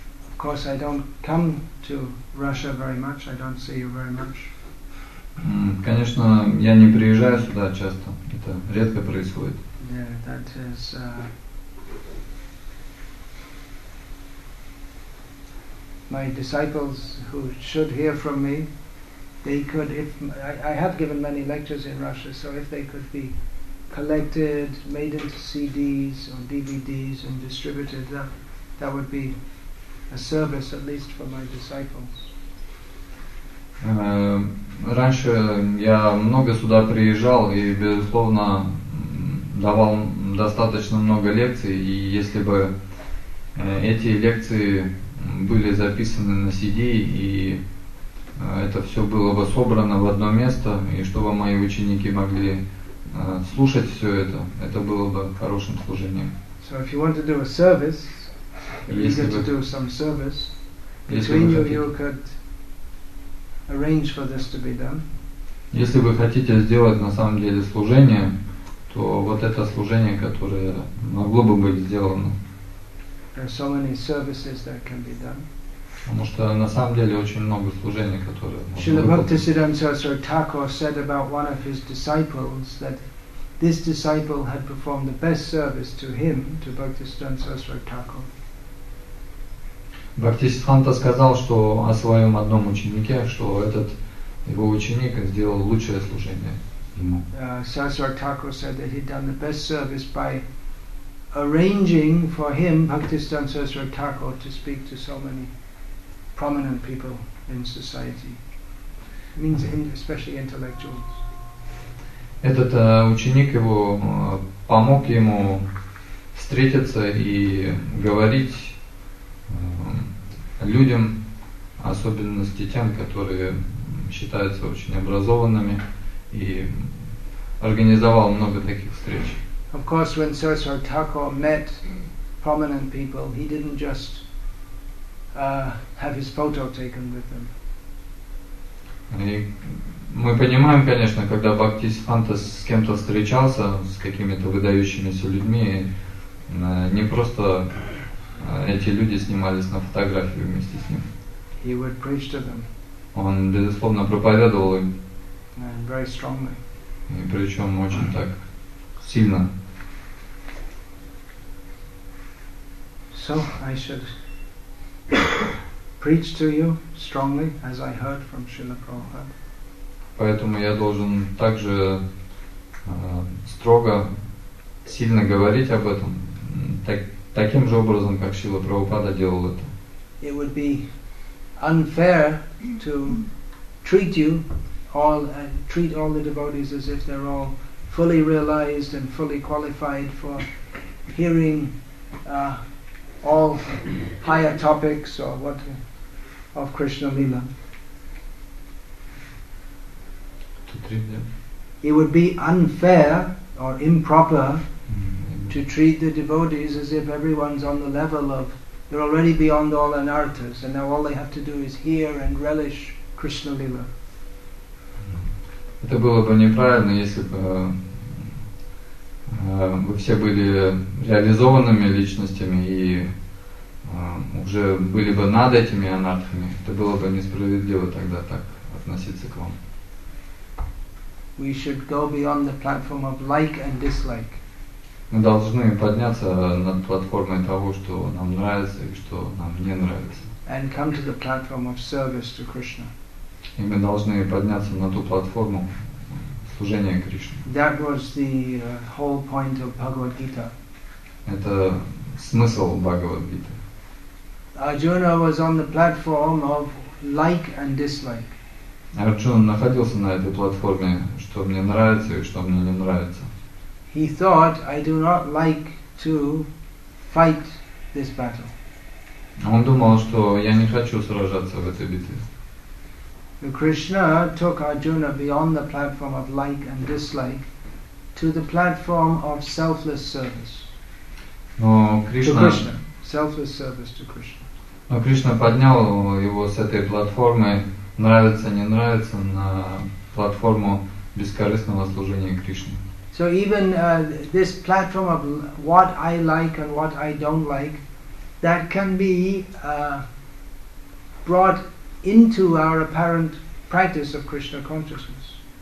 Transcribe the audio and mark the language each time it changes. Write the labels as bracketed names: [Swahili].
[English] Of course, I don't come to Russia very much. I don't see you very much. [Russian] Конечно, я не приезжаю сюда часто. Это редко происходит. [English] Yeah, that is my disciples who should hear from me. They could, if I have given many lectures in Russia, so if they could be collected, made into CDs or DVDs and distributed, that would be a service at least for my disciples. [Russian] Раньше я много сюда приезжал и, безусловно, давал достаточно много лекций, и если бы эти лекции были записаны на CD и это все было бы собрано в одно место, и чтобы мои ученики могли слушать все это было бы хорошим служением. [English] So if you want to do a service, if you get to do some service, between you could arrange for this to be done. [Russian] Если вы хотите сделать на самом деле служение, то вот это служение, которое могло бы быть сделано. [English] There are so many services that can be done. [Russian] Потому что на самом деле очень много служений, которые можно [English] Srila Bhaktisiddhanta Saraswati Thakur said about one of his disciples that this disciple had performed the best service to him, to Bhaktisiddhanta Saraswati Thakur. [Russian] Бхактисиддханта сказал, что о своем одном ученике, что этот его ученик сделал лучшее служение ему. [English] Saraswati Thakur said that he'd done the best service by arranging for him, Bhaktisiddhanta Saraswati Thakur, to speak to so many prominent people in society. It means especially intellectuals. [Russian] Этот ученик его помог ему встретиться и говорить людям, особенности тем, которые считаются очень образованными, и организовал много таких встреч. [English] Of course, when Saraswati Thakur met prominent people, he didn't just have his photo taken with them. [Russian] И мы понимаем, конечно, когда Бхактисиддханта с кем-то встречался, с какими-то выдающимися людьми, не просто эти люди снимались на фотографии вместе с ним. [English] He would preach to them. [Russian] Он, безусловно, проповедовал им. [English] And very strongly. [Russian] И причем очень так сильно. [English] So, I should preach to you strongly, as I heard from Srila Prabhupada. [Russian] Поэтому я должен также строго, сильно говорить об этом, таким же образом, как Шрила Прабхупада делал это. [English] It would be unfair to treat you all and treat all the devotees as if they're all fully realized and fully qualified for hearing all higher topics or what of Krishna Lila. To treat them. It would be unfair or improper to treat the devotees as if everyone's on the level of, they're already beyond all anarthas, and now all they have to do is hear and relish Krishna Lila. [Russian] Это было бы неправильно, если бы вы все были реализованными личностями и уже были бы над этими анархами. Это было бы несправедливо тогда так относиться к вам. [English] We should go beyond the platform of like and dislike. [Russian] Мы должны подняться над платформой того, что нам нравится и что нам не нравится. [English] And come to the platform of service to Krishna. [Russian] И мы должны подняться на ту платформу служения Кришне. [English] That was the whole point of Bhagavad Gita. [Russian] Это смысл Бхагавад Гиты. [English] Arjuna was on the platform of like and dislike. [Russian] Арджуна находился на этой платформе, что мне нравится и что мне не нравится. [English] He thought, I do not like to fight this battle. [Russian] Он думал, что я не хочу сражаться в этой битве. [English] But Krishna took Arjuna beyond the platform of like and dislike to the platform of selfless service. [Russian] Но Кришна, [English] to Krishna. Selfless service to Krishna. [Russian] Но Кришна поднял его с этой платформы нравится, не нравится на платформу бескорыстного служения Кришне. [English] So even this platform of what I like and what I don't like, that can be brought into our apparent practice of Krishna consciousness.